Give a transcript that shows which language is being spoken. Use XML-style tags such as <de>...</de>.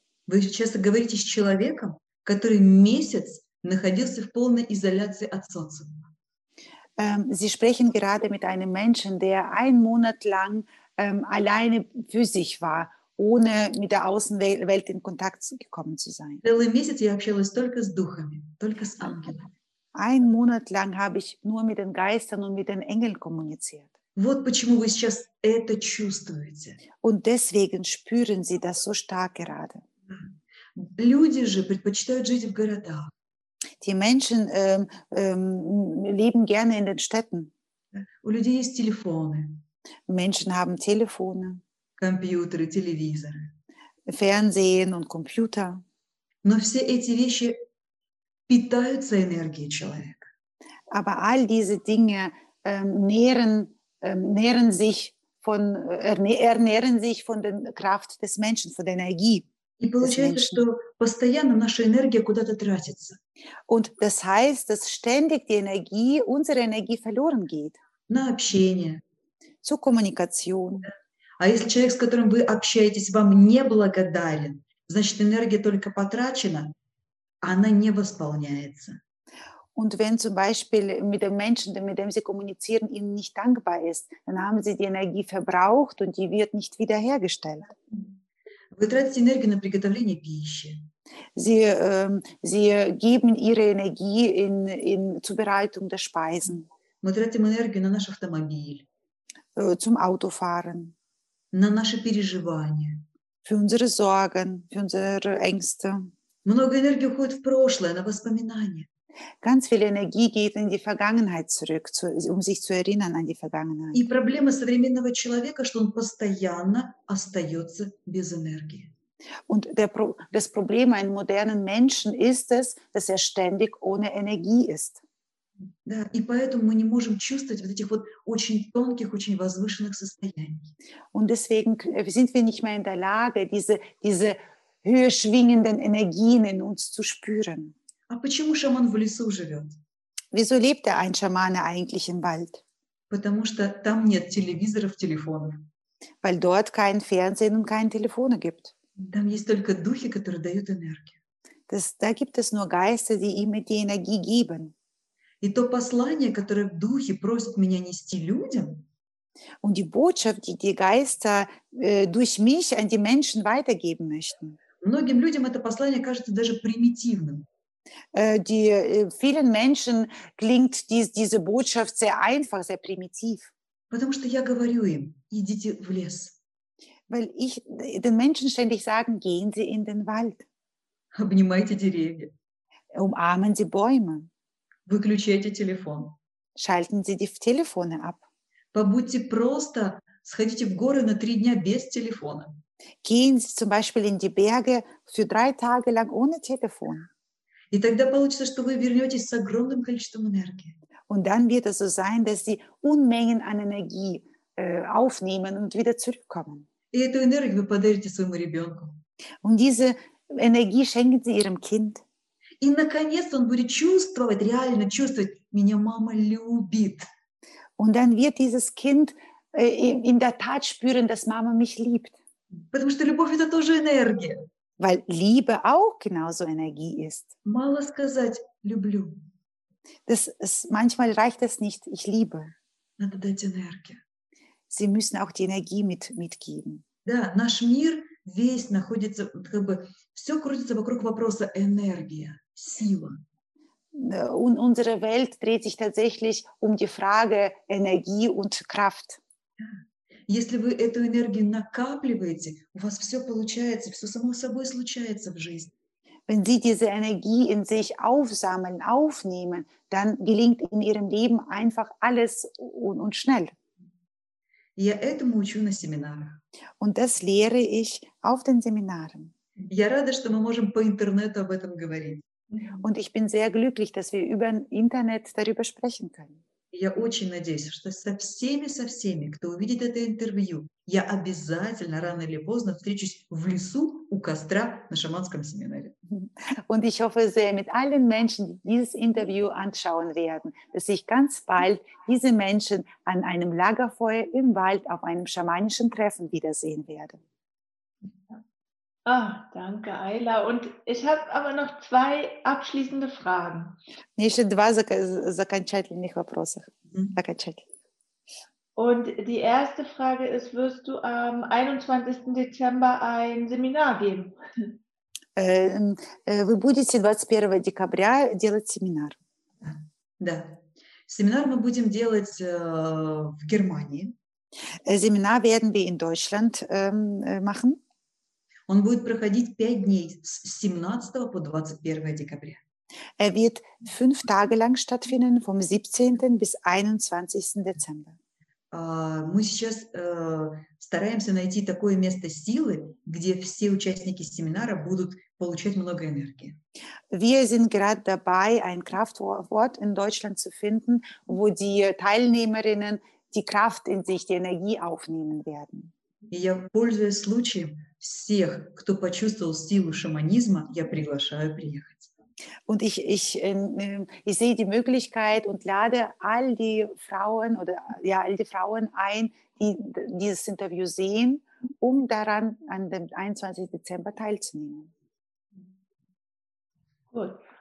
<ru>Вы сейчас говорите с человеком, который месяц находился в полной изоляции от социума.</ru> <de>Sie sprechen gerade mit einem Menschen, der einen Monat lang alleine für sich war, ohne mit der Außenwelt in Kontakt gekommen zu sein.</de> <ru>Целый месяц я общалась только с духами, только с ангелами.</ru> <de>Einen Monat lang habe ich nur mit den Geistern und mit den Engeln kommuniziert.</de> <ru>Вот почему вы сейчас это чувствуете.</ru> <de>Und deswegen spüren Sie das so stark gerade.</de> <ru>Люди же предпочитают жить в городах.</ru> <de>Die Menschen leben gerne in den Städten.</de> <ru>У людей есть телефоны.</ru> <de>Menschen haben Telefone.</de> <ru>Компьютеры, телевизоры.</ru> <de>Fernsehen und Computer.</de> <ru>Но все эти вещи питаются энергией человека.</ru> <de>Aber all diese Dinge ernähren sich von der Kraft des Menschen, von der Energie.</de> <ru>И получается, что постоянно наша энергия куда-то тратится.</ru> <de>Und das heißt, dass ständig die Energie, unsere Energie verloren geht.</de> <ru>На общение.</ru> <de>Zur Kommunikation.</de> <ru>А если человек, с которым вы общаетесь, вам не благодарен, значит, энергия только потрачена. Она не восполняется.</ru> <de>Und wenn zum Beispiel mit dem Menschen, mit dem Sie kommunizieren, Ihnen nicht dankbar ist, dann haben Sie die Energie verbraucht und die wird nicht wiederhergestellt.</de> <ru>Вы тратите энергию на приготовление пищи.</ru> <de>Sie geben Ihre Energie in Zubereitung der Speisen.</de> <ru>Мы тратим энергию на наш автомобиль.</ru> <de>Zum Autofahren.</de> <ru>На наши переживания.</ru> <de>Für unsere Sorgen, für unsere Ängste.</de> <ru>Много энергии уходит в прошлое, на воспоминания.</ru> <de>Ganz viel Energie geht in die Vergangenheit zurück, um sich zu erinnern an die Vergangenheit.</de> <ru>И проблема современного человека, что он постоянно остается без энергии.</ru> <de>Und das Problem eines modernen Menschen ist es, dass ständig ohne Energie ist.</de> <ru>Да, и поэтому мы не можем чувствовать вот этих вот очень тонких, очень возвышенных состояний.</ru> <de>Und deswegen sind wir nicht mehr in der Lage, diese höher schwingenden Energien in uns zu spüren.</de> <ru>А почему шаман в лесу живет?</ru> <de>Wieso lebt der ein Schamane eigentlich im Wald?</de> <ru>Потому что там нет телевизоров, телефонов.</ru> <de>Weil dort kein Fernsehen und keine Telefone gibt.</de> <ru>Там есть только духи, которые дают энергию.</ru> <de>Da gibt es nur Geister, die ihm die Energie geben.</de> <ru>И то послание, которое духи просят меня нести людям.</ru> <de>Und die Botschaft, die die Geister durch mich an die Menschen weitergeben möchten.</de> <ru>Многим людям это послание кажется даже примитивным.</ru> <de>Vielen Menschen klingt diese Botschaft sehr einfach, sehr primitiv.</de> <ru>Потому что я говорю им, идите в лес.</ru> <de>Weil ich den Menschen ständig sagen, gehen Sie in den Wald.</de> <ru>Обнимайте деревья.</ru> <de>Umarmen Sie Bäume.</de> <ru>Выключайте телефон.</ru> <de>Schalten Sie die Telefone ab.</de> <ru>Побудьте просто, сходите в горы на 3 дня без телефона.</ru> <de>Gehen Sie zum Beispiel in die Berge für 3 Tage lang ohne Telefon.</de> <ru>И тогда получится, что вы вернетесь с огромным количеством энергии.</ru> <de>Und dann wird es so sein, dass Sie Unmengen an Energie aufnehmen und wieder zurückkommen.</de> <ru>И эту энергию вы подарите своему ребенку.</ru> <de>Und diese Energie schenken Sie Ihrem Kind.</de> <ru>И наконец он будет чувствовать, реально чувствовать, меня мама любит.</ru> <de>Und dann wird dieses Kind in der Tat spüren, dass Mama mich liebt.</de> <ru>Потому что любовь это тоже энергия.</ru> <de>Weil Liebe auch genauso Energie ist.</de> <ru>Мало сказать, люблю.</ru> <de>Manchmal reicht es nicht, ich liebe.</de> <ru>Надо дать энергию.</ru> <de>Sie müssen auch die Energie mitgeben.</de> <ru>Да, наш мир весь находится, как бы, все крутится вокруг вопроса энергия, сила.</ru> <de>Unsere Welt dreht sich tatsächlich die Frage Energie und Kraft.</de> <ru>Если вы эту энергию накапливаете, у вас все получается, все само собой случается в жизни.</ru> <de>Wenn Sie diese Energie in sich aufsammeln, aufnehmen, dann gelingt in Ihrem Leben einfach alles und schnell.</de> <ru>Я этому учу на семинарах.</ru> <de>Und das lehre ich auf den Seminaren.</de> <ru>Я рада, что мы можем по интернету об этом говорить.</ru> <de>Und ich bin sehr glücklich, dass wir über Internet darüber sprechen können.</de> <ru>Я очень надеюсь, что со всеми, кто увидит это интервью, я обязательно рано или поздно встречусь в лесу у костра на шаманском семинаре.</ru> <de>Und ich hoffe sehr, mit allen Menschen, die dieses Interview anschauen werden, dass ich ganz bald diese Menschen an einem Lagerfeuer im Wald auf einem schamanischen Treffen wiedersehen werde. Ah, danke, Ayla. Und ich habe aber noch 2 abschließende Fragen.</de> <ru>Еще 2 закончательных вопроса.</ru> <de>Und die erste Frage ist, wirst du am 21. Dezember ein Seminar geben?</de> <ru>Вы будете 21 декабря делать семинар? Да. Семинар мы будем делать в Германии.</ru> <de>Семинар werden wir in Deutschland machen.</de> <ru>Он будет проходить 5 дней с 17 по 21 декабря.</ru> <de>Er wird 5 Tage lang stattfinden, vom 17. bis 21. Dezember.</de> <ru>Мы сейчас стараемся найти такое место силы, где все участники семинара будут получать много энергии.</ru> <de>Wir sind gerade dabei, ein Kraftort in Deutschland zu finden, wo die Teilnehmerinnen die Kraft in sich, die Energie aufnehmen werden.</de> <ru>И я пользуюсь случаем, всех, кто почувствовал силу шаманизма, я приглашаю приехать.</ru> <de>Und ich sehe die Möglichkeit und lade all die Frauen oder ja all die Frauen ein, die dieses Interview sehen, daran an dem 21. Dezember teilzunehmen. Gut.</de>